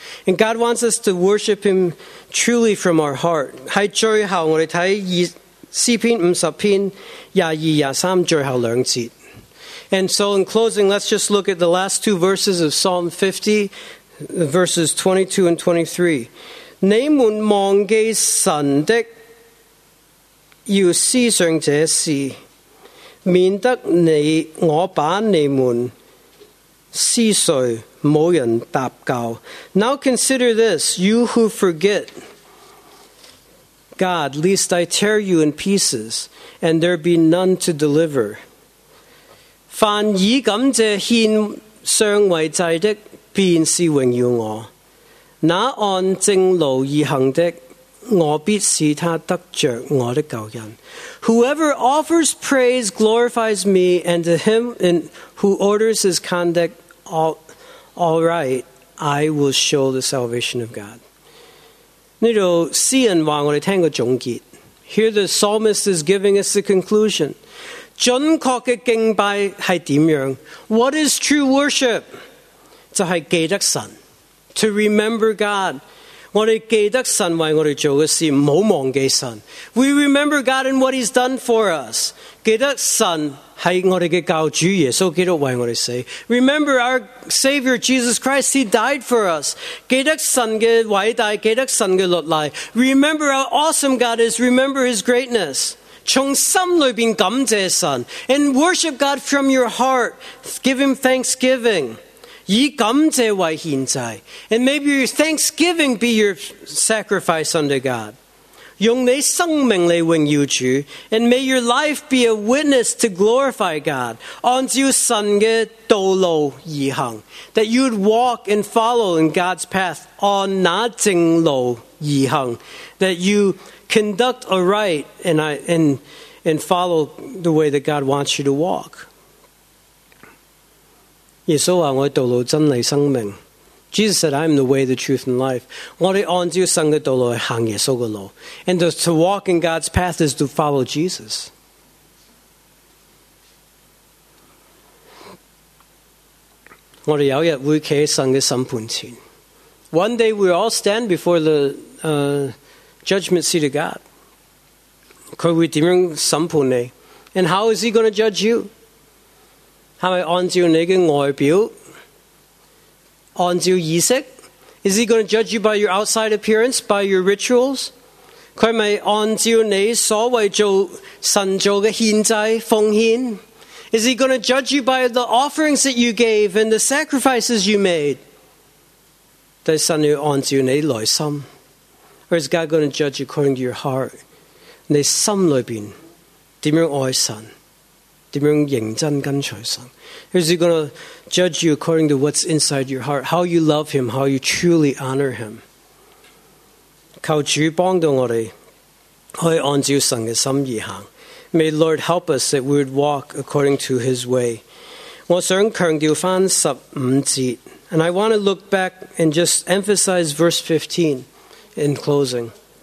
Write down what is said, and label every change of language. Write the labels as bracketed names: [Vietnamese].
[English] And God wants us to worship Him truly from our heart. [Chinese] 在最后我们看诗篇五十篇22、23最后两节。 [English] And so in closing, let's just look at the last two verses of Psalm 50, verses 22 and 23. [Chinese] 你们忘记神的要思想这事，免得你我把你们撕碎，无人答教。 [English] Now consider this, you who forget God, lest I tear you in pieces, and there be none to deliver. [Chinese] 凡以感谢献上为祭的，便是荣耀我；那按正路而行的，我必使他得着我的救恩。 [English] Whoever offers praise glorifies me, and to him who orders his conduct all right, I will show the salvation of God. [Chinese] 这里诗人说我们听个总结。 [English] Here the psalmist is giving us the conclusion. [Chinese] 准确的敬拜是怎样？ [English] What is true worship? [Chinese] 就是记得神。 [English] To remember God. [Chinese] 我们记得神为我们做的事，不要忘记神。 [English] We remember God and what He's done for us. [Chinese] 记得神是我们的教主耶稣基督为我们死。 [English] Remember our Savior Jesus Christ, He died for us. [Chinese] 记得神的伟大，记得神的律例。 [English] Remember how awesome God is, remember His greatness. [Chinese] 从心里面感谢神。 [English] And worship God from your heart, give Him thanksgiving. [Chinese] 以感谢为献祭， [English] and maybe your thanksgiving be your sacrifice unto God. [Chinese] 用你生命来荣耀主， [English] and may your life be a witness to glorify God. [Chinese] 按照神的道路而行， [English] that you'd walk and follow in God's path. [Chinese] 按那正路而行， [English] that you conduct aright and follow the way that God wants you to walk. [Chinese] 耶稣说我的道路真理生命。 [English] Jesus said, I am the way, the truth, and life. [Chinese] 我们按照神的道路去行耶稣的路。 [English] And to walk in God's path is to follow Jesus. [Chinese] 我们有一天会站在神的审判前。 [English] One day we all stand before the judgment seat of God. [Chinese] 他会怎样审判你？ [English] And how is He going to judge you? [Chinese] 是不是按照你的外表，按照仪式？ [English] Is He going to judge you by your outside appearance, by your rituals? [Chinese] 他是不是按照你所谓做神做的献祭奉献？ [English] Is He going to judge you by the offerings that you gave and the sacrifices you made? [Chinese] 但是神要按照你内心， [English] Or is God going to judge you according to your heart? [Chinese] 你心里面怎样爱神？怎样认真跟随神？ [English] Is He going to judge you according to what's inside your heart? How you love Him, how you truly honor Him. [Chinese] 求主帮助我们可以按照神的心意行。 [English] May the Lord help us that we would walk according to His way. [Chinese] 我想强调翻十五节 [English] And I want to look back and just emphasize verse 15 in closing.